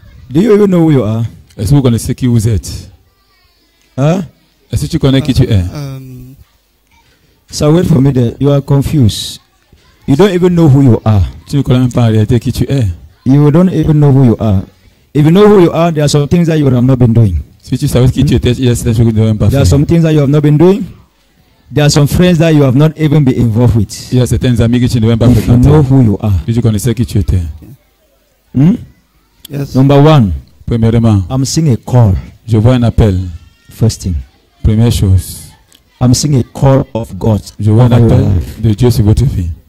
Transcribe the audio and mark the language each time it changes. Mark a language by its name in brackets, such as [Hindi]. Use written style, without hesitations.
[English] Do you even know who you are? [French] Est-ce que vous connaissez qui vous êtes? Hein? Est-ce que tu connais qui tu es? [English] So wait for me there. You are confused. You don't even know who you are. [French] Tu ne connais même pas en réalité qui tu es. [English] You don't even know who you are. If you know who you are, there are some things that you have not been doing. [French] Si tu savais qui tu étais, il y a certaines choses que tu n'as même pas fait. [English] There are some things that you have not been doing. There are some friends that you have not even been involved with. [French] Il y a certains amis que tu n'as même pas fréquenté. [English] If you know who you are. [French] Si tu connaissais qui tu étais. [English] Yes. Number one. [French] Premièrement. [English] I'm seeing a call. [French] Je vois un appel. [English] First thing. [French] Première chose. [English] I'm seeing a call of God. [French] Je vois un appel de Dieu sur votre vie.